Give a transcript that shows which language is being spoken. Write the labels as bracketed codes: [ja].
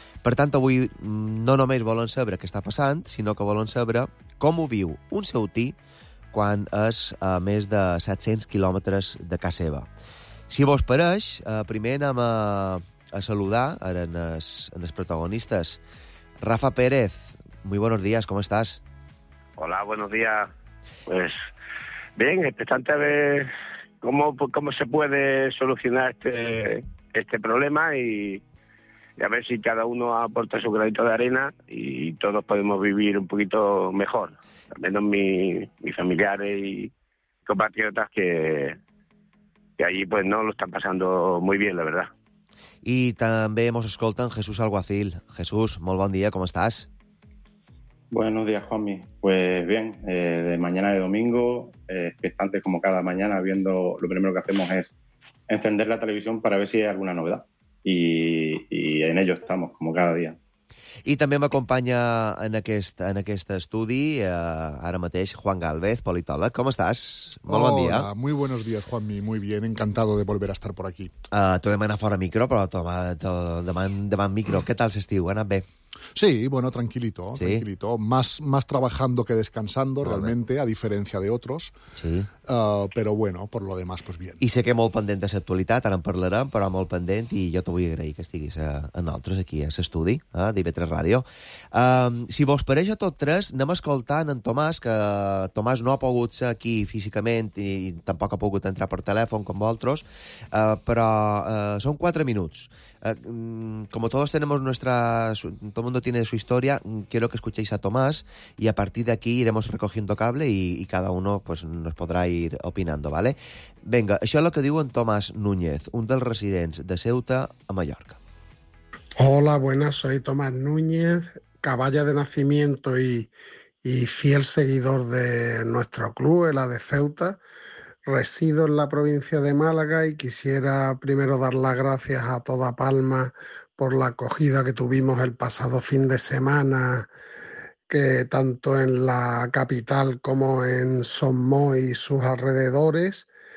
[ca] Per tant, avui no només volen saber què està passant, sinó que volen saber com ho viu un ceutí quan és a més de 700 quilòmetres de casa seva. Si vos pareix, primer anem a saludar ara en els protagonistes. [es] Rafa Pérez, muy buenos días, ¿cómo estás? Hola, buenos días. Pues bien, expectante a ver cómo se puede solucionar este problema y a ver si cada uno aporta su granito de arena y todos podemos vivir un poquito mejor, al menos mis familiares y compatriotas que allí pues no lo están pasando muy bien, la verdad. Y también hemos escoltado a Jesús Alguacil. Jesús, muy buen día, ¿cómo estás? Buenos días, Juanmi. Pues bien, de mañana de domingo, expectante como cada mañana, viendo, lo primero que hacemos es encender la televisión para ver si hay alguna novedad. I en ello estamos, como cada día. [ca] I també m'acompanya en aquest estudi, ara mateix, Juan Gálvez, politòleg. Com estàs? Molt bon dia. [es] Hola, muy buenos días, Juanmi. Muy bien, encantado de volver a estar por aquí. [ca] T'ho demana fora micro, però demana micro. Què tal l'estiu? Ha anat bé? [es] Sí, bueno, tranquilito, sí. Tranquilito. Más trabajando que descansando, vale. Realmente, a diferencia de otros. Sí. Pero bueno, por lo demás, pues bien. [ca] I sé que molt pendent de l'actualitat, ara en parlarem, però molt pendent, i jo t'ho vull agrair que estiguis a nosaltres aquí a l'estudi, a Divetres Ràdio. Si vos pareix a tots tres, anem escoltant en Tomàs, que Tomàs no ha pogut ser aquí físicament i tampoc ha pogut entrar per telèfon com vosaltres, però són 4 minuts. [es] Como todos tenemos todo el mundo tiene su historia, quiero que escuchéis a Tomás y a partir de aquí iremos recogiendo cable y cada uno pues nos podrá ir opinando, ¿vale? [ca] Venga, això és el que diu en Tomás Núñez, un dels residents de Ceuta a Mallorca. [es] Hola, buenas, soy Tomás Núñez, caballa de nacimiento y fiel seguidor de nuestro club, el AD Ceuta. Resido en la provincia de Málaga y quisiera primero dar las gracias a toda Palma por la acogida que tuvimos el pasado fin de semana, que tanto en la capital como en Somoy y sus alrededores.